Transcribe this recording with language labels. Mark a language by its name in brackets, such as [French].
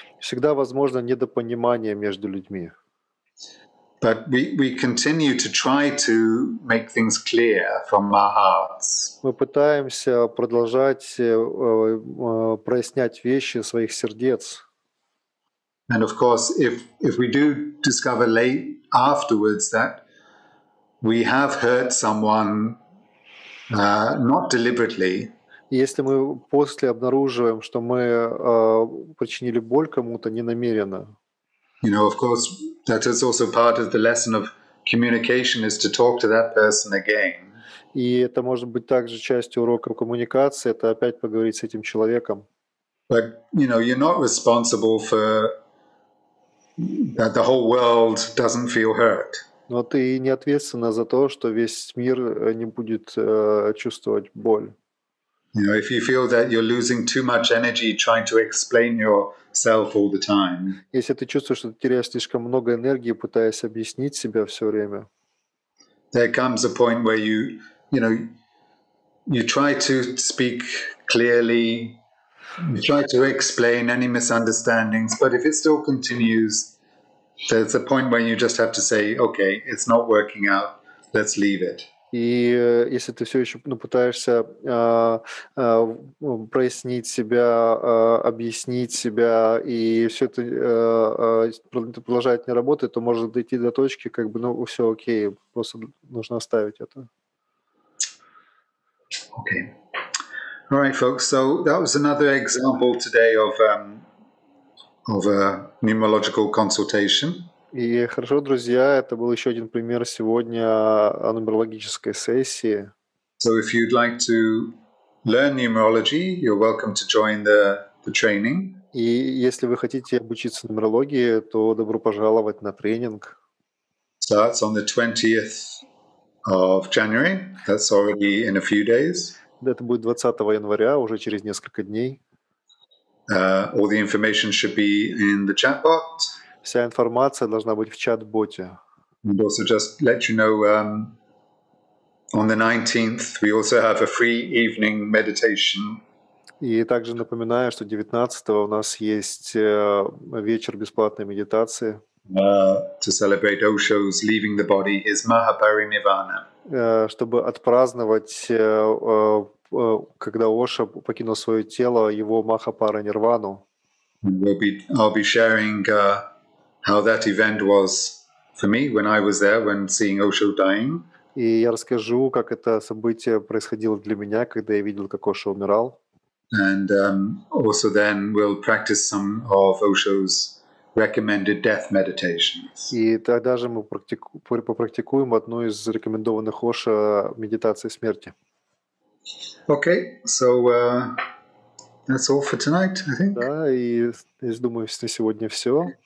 [Russian] Всегда возможно недопонимание между людьми. [English] But we continue to try to make things clear from our hearts. [Russian] Мы пытаемся продолжать прояснять вещи своих сердец. [English] And of course, if we do discover late afterwards that we have hurt someone not deliberately. [Russian] Если мы после обнаруживаем, что мы причинили боль кому-то ненамеренно. [English] You know, of course, that is also part of the lesson of communication is to talk to that person again. [Russian] И это может быть также частью урока коммуникации, это опять поговорить с этим человеком. [English] But, you know, you're not responsible for that the whole world doesn't feel hurt. [Russian] Но ты не ответственна за то, что весь мир не будет чувствовать боль. [English] You know, if you feel that you're losing too much energy trying to explain yourself all the time. [Russian] Если ты чувствуешь, что ты теряешь слишком много энергии, пытаясь объяснить себя все время. [English] There comes a point where you try to speak clearly, you try to explain any misunderstandings, but if it still continues, there's a point where you just have to say, okay, it's not working out, let's leave it. [Russian] И если ты все еще пытаешься прояснить себя, объяснить себя, и все это продолжает не работать, то можно дойти до точки, как бы, ну, все окей, просто нужно оставить это. [English] Okay. All right, folks, so that was another example today of a numerological consultation. [Russian] И хорошо, друзья, это был еще один пример сегодня о нумерологической сессии. [English] So if you'd like to learn numerology, you're welcome to join the training. [Russian] И если вы хотите обучиться нумерологии, то добро пожаловать на тренинг. [English] Starts on the 20th of January. That's already in a few days. [Russian] Это будет 20 января, уже через несколько дней. [English] All the information should be in the chat box. [Russian] Вся информация должна быть в чат-боте. [English] And also just let you know, on the 19th we also have a free evening meditation. [Russian] И также напоминаю, что 19-го у нас есть вечер бесплатной медитации. [English] To celebrate Osho's leaving the body, his Mahaparinirvana. [Russian] Чтобы отпраздновать, когда Оша покинул свое тело, его Mahaparinirvana. [English] I'll be sharing how that event was for me when I was there, when seeing Osho dying. [Russian] И я расскажу, как это событие происходило для меня, когда я видел, как Osho умирал. [English] And also then we'll practice some of Osho's recommended death meditations. [Russian] И тогда же мы попрактикуем одну из рекомендованных Osho медитаций смерти. [English] Okay, so that's all for tonight, I think. [Russian] Да, и я думаю, на сегодня все.